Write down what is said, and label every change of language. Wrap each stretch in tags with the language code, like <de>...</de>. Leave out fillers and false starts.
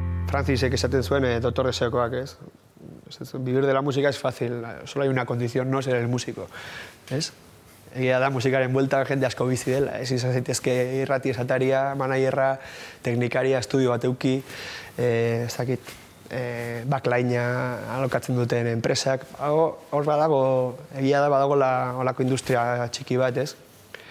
<eu>Francisek esaten zuen, doktor Esekoak, ez?</eu> <es>Vivir de la música es fácil, solo hay una condición, no ser el músico, ez?</es> <eu>Egia da, musikaren buelta jende asko bizi dela, ez? Izan zaitezke irrati esataria, manajerra, teknikaria, estudio bat euki, ez dakit, backlinea alokatzen duten enpresak, hor badago, egia da, badago la, olako industria txiki bat, ez?</eu>